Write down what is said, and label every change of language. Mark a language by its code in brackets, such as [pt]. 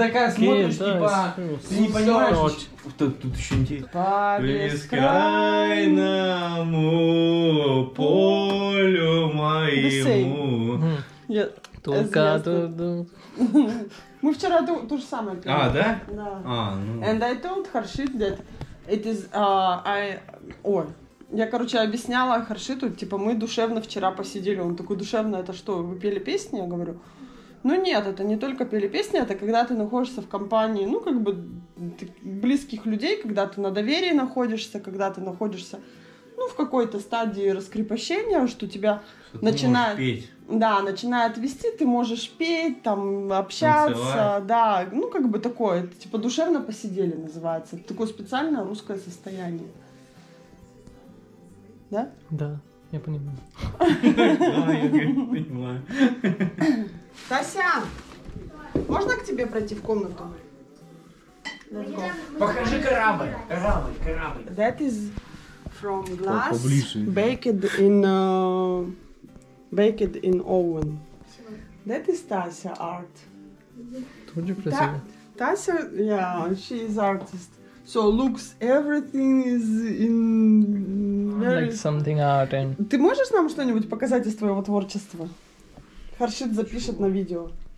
[ru] Смотришь, типа, ты не понимаешь, что... Тут еще интересно. По бескрайному полю моему... Только тут... Мы вчера то же самое пели. А, да? Да. [en] And I told Harshit that it is... [ru] Я, короче, объясняла Харшиту, типа, мы душевно вчера посидели. Он такой, душевно, это что, вы пели песни? Я говорю... Ну нет, это не только пели песни, это когда ты находишься в компании, ну, как бы, близких людей, когда ты на доверии находишься, когда ты находишься, ну, в какой-то стадии раскрепощения, что тебя что начинает... Ты можешь петь. Да, начинает вести, ты можешь петь, там, общаться. Танцевать. Да, ну, как бы такое, типа, душевно посидели называется, такое специальное русское состояние. Да? Да, я понимаю. Да, я понимаю. Тасян, можно к тебе пройти в комнату? Покажи корабль, корабль, корабль. [en] That is from glass, baked in oven. That is Tasya art. [ru] Тоже красиво. [en] Tasya, yeah, she is artist. So looks, everything is in... Like something art and... [ru] Ты можешь нам что-нибудь показать из твоего творчества? Харшит запишет на видео.